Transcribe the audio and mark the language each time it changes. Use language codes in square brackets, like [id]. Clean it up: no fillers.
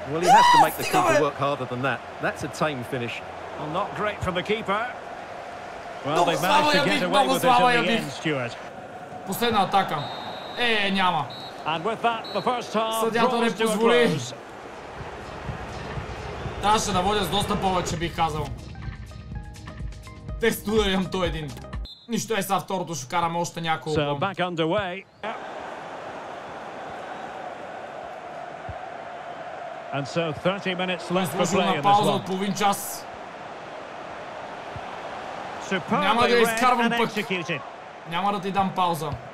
[en] Well, he has to make the keeper work harder than that. That's a tame finish. Well, not great from the keeper. Well, they managed to get away with it in the end, Stuart. [bg] Последна атака. Е, няма. [en] And with that, the first half draws to a close. [bg] Трябваше да водя с доста повече, бих казал. Тесто да имам той един. Нищо е сега второто, ще караме още няколко. [en] So, back underway. And so 30 minutes left for play in this one. [bg] Половин час. Няма да изкарвам пък. Няма да ти дам пауза.